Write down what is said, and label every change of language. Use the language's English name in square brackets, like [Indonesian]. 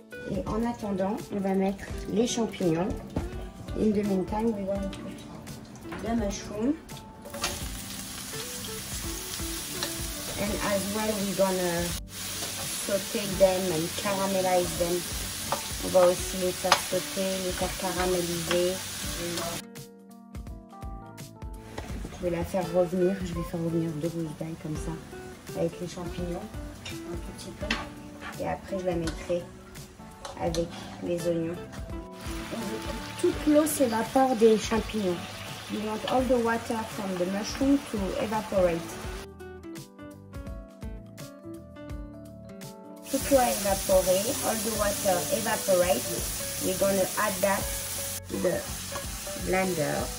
[French] Et en attendant, on va mettre les champignons. [English] In the meantime, we're gonna put the mushroom. And as well, we're gonna saute them and caramelize them. [French] On va aussi les faire sauter, les faire caraméliser. Je vais la faire revenir, je vais faire revenir deux gousses d'ail comme ça, avec les champignons, un tout petit peu. Et après, je la mettrai avec les oignons. Toute l'eau s'évapore des champignons. [English] You want all the water from the mushroom to evaporate. [French] Tout l'eau évaporée, [English] all the water evaporate. We're gonna add that to the blender.